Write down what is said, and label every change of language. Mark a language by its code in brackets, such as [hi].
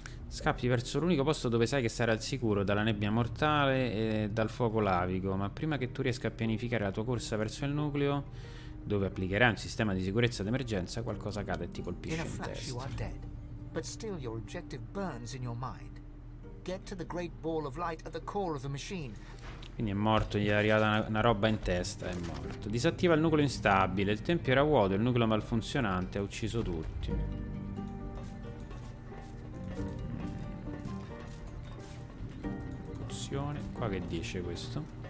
[it] Scappi verso l'unico posto dove sai che sarai al sicuro, dalla nebbia mortale e dal fuoco lavico, ma prima che tu riesca a pianificare la tua corsa verso il nucleo, dove applicherai un sistema di sicurezza d'emergenza, qualcosa cade e ti colpisce in testa. [en] But still your objective burns in your mind. Get to the great ball of light at the core of the machine. [it] Quindi è morto, gli è arrivata una roba in testa, è morto. Disattiva il nucleo instabile, il tempio era vuoto, il nucleo malfunzionante ha ucciso tutti. Funzione, qua che dice questo?